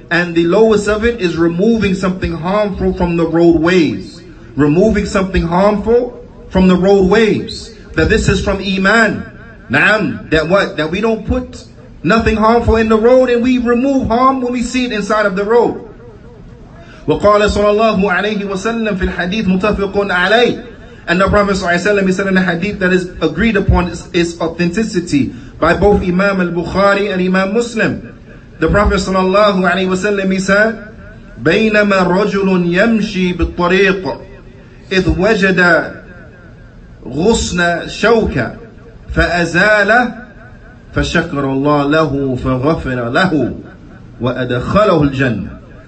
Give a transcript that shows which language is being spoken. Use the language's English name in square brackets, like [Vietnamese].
[English] And the lowest of it is removing something harmful from the roadways. Removing something harmful from the roadways. That this is from Iman. Naam. That what? That we don't put nothing harmful in the road and we remove harm when we see it inside of the road. [Arabic] وقال صلى الله عليه وسلم في الحديث متفق عليه. [English] And the Prophet [Arabic] صلى الله عليه وسلم, [English] he said in a hadith that is agreed upon its authenticity by both Imam al-Bukhari and Imam Muslim. The Prophet [Arabic] صلى الله عليه وسلم, [English] he said, [Arabic] بينما رجل يمشي بالطريق إذ وجد غصن شوكة فأزاله فشكر الله له فغفر له وأدخله الجنة.